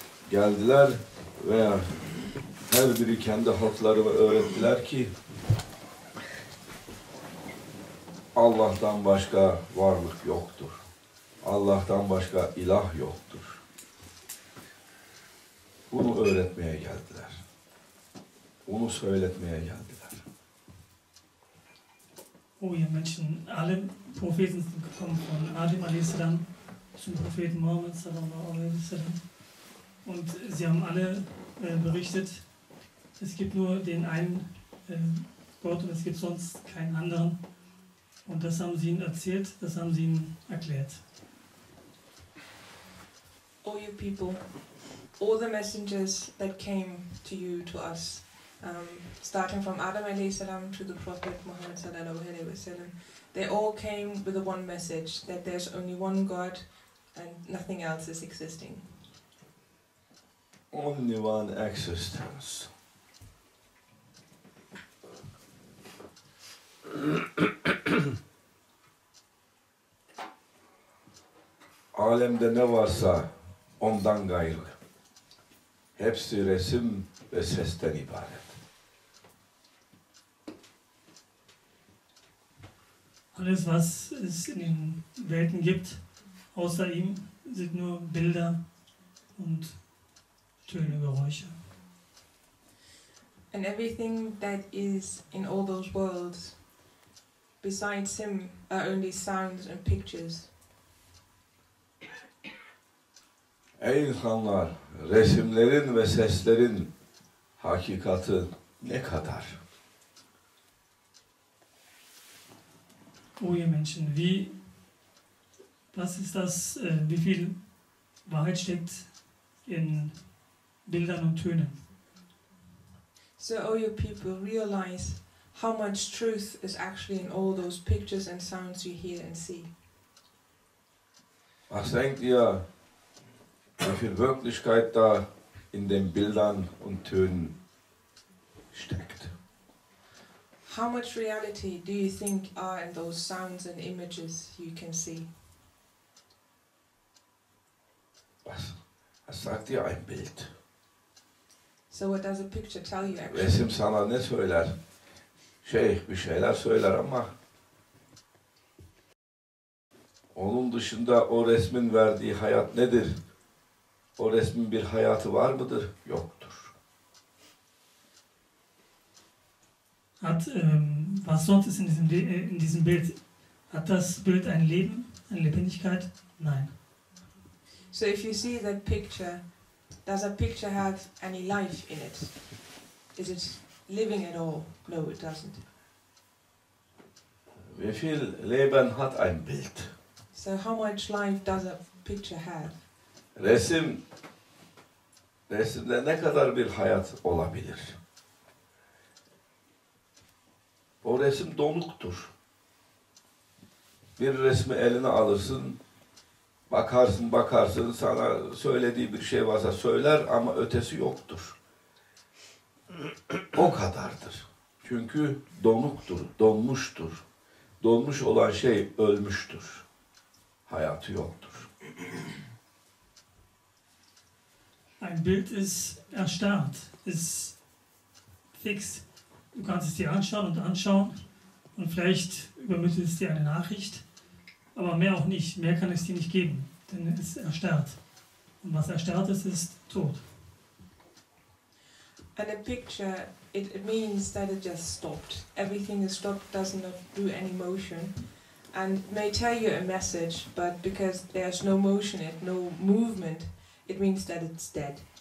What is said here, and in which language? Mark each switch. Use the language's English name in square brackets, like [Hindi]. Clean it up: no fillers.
[Turkish] Geldiler ve her biri kendi halklarına öğrettiler ki Allah'tan başka varlık yoktur. Allah'tan başka ilah yoktur. Bunu öğretmeye geldiler. Bunu söyletmeye geldiler. [German] Oh ihr Menschen, alle Propheten sind gekommen von Adem aleyhisselam zum Propheten Muhammad sallallahu alaihi wasallam. Und sie haben alle berichtet, es gibt nur den einen Gott und es gibt sonst keinen anderen. Und das haben sie ihnen erzählt, das haben sie ihnen erklärt. [English] All you people, all the messengers that came to you, to us, starting from Adam alayhi salam to the Prophet Muhammad sallallahu alayhi wa sallam, they all came with the one message that there's only one God and nothing else is existing. Only one existence. [Turkish] Alemde ne varsa ondan gayrı. Hepsi resim ve sesten ibaret. [German] Alles was es in den Welten gibt, außer ihm, sind nur Bilder und Töne, Geräusche. [English] And everything that is in all those worlds besides him are only sounds and pictures. [Turkish] Ey insanlar, resimlerin ve seslerin hakikati ne kadar? [German] Oh, ihr Menschen, wie, was ist das, wie viel Wahrheit steckt in Bildern und Tönen? [English] So, oh, you people, realize how much truth is actually in all those pictures and sounds you hear and see. [German] Was denkt ihr, wie viel Wirklichkeit da in den Bildern und Tönen steckt? [English] How much reality do you think are in those sounds and images you can see? [German] Was sagt dir ein Bild? [English] So what does a picture tell you actually? [Turkish] Resim sana ne söyler? Şey, bir şeyler söyler ama onun dışında o resmin verdiği hayat nedir? O resmin bir hayatı var mıdır? Yoktur. [German] Hat was sonst ist in diesem Bild? Hat das Bild ein Leben, eine Lebendigkeit? Nein. [English] So if you see that picture, does a picture have any life in it? Is it living at all? No, it doesn't. [German] Wie viel Leben hat ein Bild? [English] So how much life does a picture have? [Turkish] Resimde ne kadar bir hayat olabilir? O resim donuktur. Bir resmi eline alırsın, bakarsın, sana söylediği bir şey varsa söyler ama ötesi yoktur. O kadardır. Çünkü donuktur, donmuştur. Donmuş olan şey ölmüştür. Hayatı yoktur. [German] Ein Bild ist erstarrt, ist fix. Du kannst es dir anschauen und vielleicht übermittelt es dir eine Nachricht, aber mehr auch nicht, mehr kann es dir nicht geben, denn es ist erstarrt. Und was erstarrt ist, ist tot. [English] And a picture, it means that it just stopped. Everything is stopped, doesn't do any motion. And it may tell you a message, but because there's no motion, it, no movement, it means that it's dead.